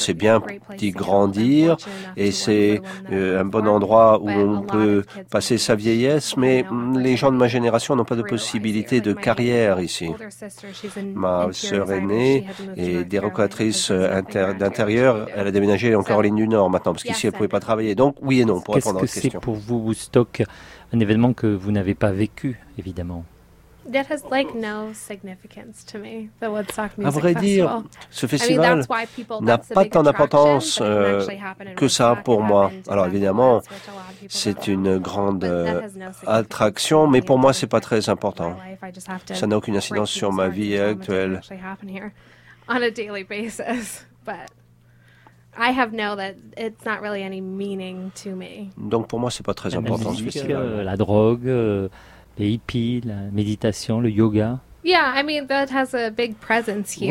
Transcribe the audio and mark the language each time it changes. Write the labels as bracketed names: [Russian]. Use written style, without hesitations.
[French] C'est bien d'y grandir et c'est un bon endroit où on peut passer sa vieillesse, mais les gens de ma génération n'ont pas de possibilité de carrière ici. Ma sœur aînée est dérogatrice d'intérieur. Elle a déménagé en Caroline du Nord maintenant parce qu'ici elle pouvait pas travailler. Donc oui et non pour répondre à votre question. Qu'est-ce que c'est pour vous, Woodstock, un événement que vous n'avez pas vécu, évidemment? [English] That has like no significance to me, the Woodstock Music [French] à vrai [English] Festival. [French] Dire, ce festival n'a pas tant d'importance que ça pour moi. Alors évidemment, c'est une grande attraction, mais pour moi, ce n'est pas très important. Ça n'a aucune incidence sur ma vie actuelle. Donc pour moi, ce n'est pas très important ce festival. La drogue. Les hippies, la méditation, le yoga. [English] Yeah, I mean that has a big presence here.